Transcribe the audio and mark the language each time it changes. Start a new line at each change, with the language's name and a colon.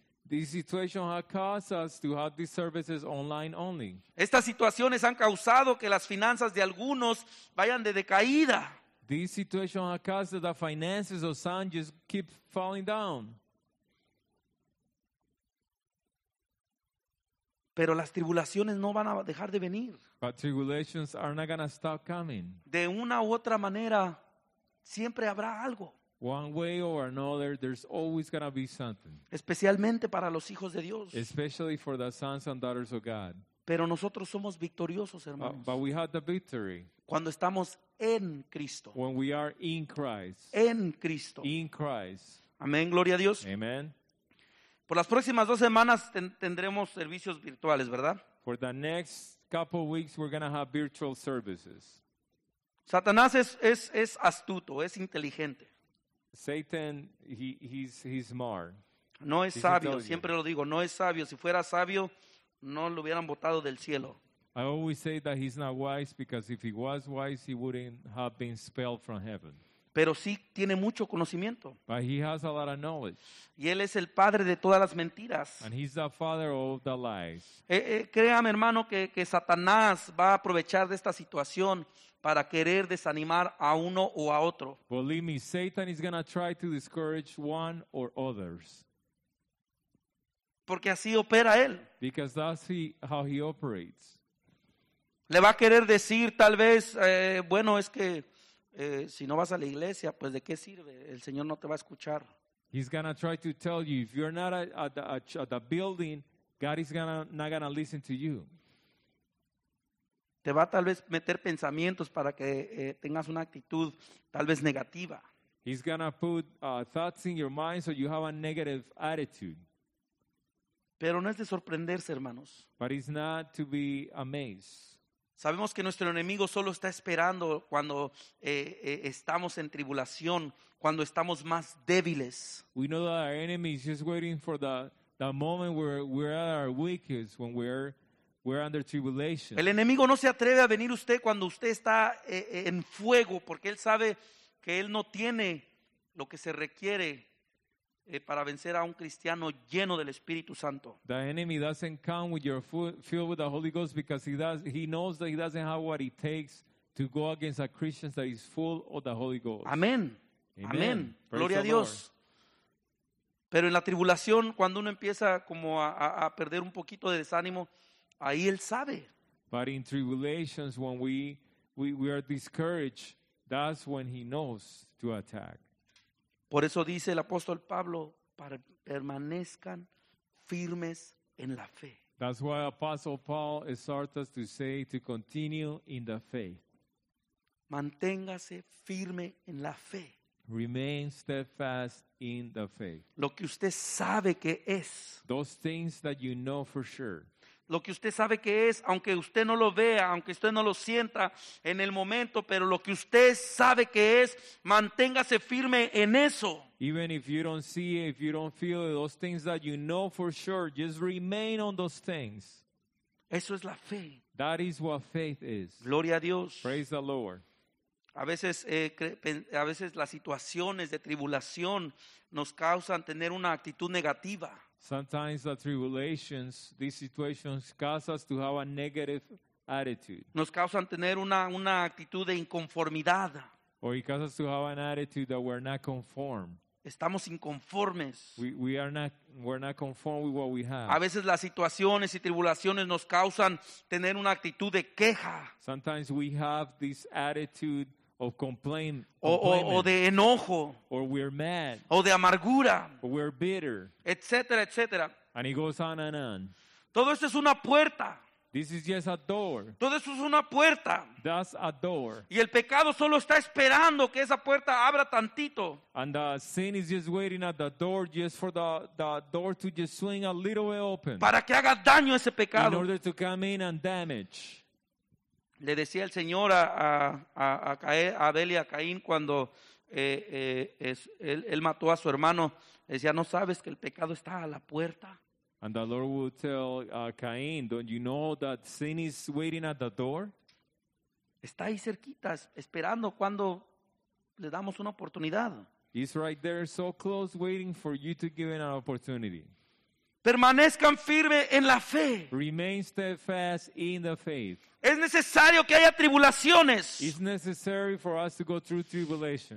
English: This situation has caused us to have these services online only.
Spanish: Estas situaciones han causado que las finanzas de algunos vayan de decaída.
English: This situation has caused that the finances of some just keep falling down.
Spanish: Pero las tribulaciones no van a dejar de venir.
English: But tribulations are not going to stop coming.
Spanish: De una u otra manera, siempre habrá algo.
English: One way or another, there's always going to be something.
Spanish: Especialmente para los hijos de Dios.
English: Especially for the sons and daughters of God.
Spanish: Pero nosotros somos victoriosos, hermanos.
English: But we have the victory.
Spanish: Cuando estamos en Cristo.
English: When we are in Christ.
Spanish: En Cristo.
English: In Christ.
Spanish: Amén, gloria a Dios.
English: Amen.
Spanish: Por las próximas dos semanas tendremos servicios virtuales, ¿verdad?
English: For the next couple of weeks, we're going to have virtual services.
Spanish: Satanás es astuto, es inteligente.
English: Satan, he's smart.
Spanish: No es sabio, siempre lo digo, no es sabio. Si fuera sabio, no lo hubieran botado del cielo.
English: I always say that he's not wise because if he was wise, he wouldn't have been expelled from heaven.
Spanish: Pero sí tiene mucho conocimiento.
English: But he has a lot of knowledge.
Spanish: Y él es el padre de todas las mentiras.
English: And he's the father of all the lies.
Spanish: Créame, hermano, que Satanás va a aprovechar de esta situación para querer desanimar a uno o a otro.
English: Believe me, Satan is going to try to discourage one or others.
Spanish: Porque así opera él.
English: Because that's how he operates.
Spanish: Le va a querer decir, tal vez, bueno, es que si no vas a la iglesia, pues ¿de qué sirve? El Señor no te va a escuchar.
English: He's going to try to tell you, if you're not at the building, God is not going to listen to you.
Spanish: Te va tal vez meter pensamientos para que tengas una actitud tal vez negativa.
English: He's going to put thoughts in your mind so you have a negative attitude.
Spanish: Pero no es de sorprenderse, hermanos.
English: But it's not to be amazed.
Spanish: Sabemos que nuestro enemigo solo está esperando cuando estamos en tribulación, cuando estamos más débiles.
English: We know that our enemy is just waiting for the moment where we're at our weakest, when we're under tribulation.
Spanish: El enemigo no se atreve a venir usted cuando usted está en fuego, porque él sabe que él no tiene lo que se requiere para vencer a un cristiano lleno del Espíritu Santo.
English: The enemy doesn't come with your food, filled with the Holy Ghost because he knows that he doesn't have what it takes to go against a Christian that is full of the Holy Ghost.
Spanish: Amén. Amén. Gloria a Dios. Pero en la tribulación, cuando uno empieza como a perder un poquito de desánimo, ahí él sabe.
English: But in tribulations, when we are discouraged, that's when he knows to attack.
Spanish: Por eso dice el apóstol Pablo, permanezcan firmes en la fe.
English: That's why Apostle Paul exhorts us to say to continue in the faith.
Spanish: Manténgase firme en la fe.
English: Remain steadfast in the faith.
Spanish: Lo que usted sabe que es.
English: Those things that you know for sure.
Spanish: Lo que usted sabe que es, aunque usted no lo vea, aunque usted no lo sienta en el momento, pero lo que usted sabe que es, manténgase firme en eso.
English: Even if you don't see it, if you don't feel it, those things that you know for sure, just remain on those things.
Spanish: Eso es la fe.
English: That is what faith is.
Spanish: Gloria a Dios.
English: Praise the Lord.
Spanish: A veces las situaciones de tribulación nos causan tener una actitud negativa.
English: Sometimes the tribulations, these situations, cause us to have a negative attitude.
Spanish: Nos causan tener una actitud de inconformidad.
English: Or it causes us to have an attitude that we're not conform.
Spanish: Estamos inconformes.
English: We're not conform with what we have.
Spanish: A veces las situaciones y tribulaciones nos causan tener una actitud de queja.
English: Sometimes we have this attitude of complaint.
Spanish: O de enojo.
English: Or we're mad.
Spanish: O de amargura.
English: Or we're bitter.
Spanish: Etcétera, etcétera.
English: And it goes on and on.
Spanish: Todo esto es una puerta.
English: This is just a door.
Spanish: Todo eso es una puerta.
English: That's a door.
Spanish: Y el pecado solo está esperando que esa puerta abra tantito.
English: And the sin is just waiting at the door, just for the door to just swing a little bit open.
Spanish: Para que haga daño ese pecado.
English: In order to come in and damage.
Spanish: Le decía el Señor a Abel y a Caín cuando él mató a su hermano. Le decía, ¿no sabes que el pecado está a la puerta?
English: And the Lord will tell Caín, don't you know that sin is waiting at the door?
Spanish: Está ahí cerquita, esperando cuando le damos una oportunidad.
English: He's right there, so close, waiting for you to give him an opportunity.
Spanish: Permanezcan firme en la fe.
English: Remain steadfast in the faith.
Spanish: Es necesario que haya tribulaciones.
English: It's necessary for us to go through tribulation.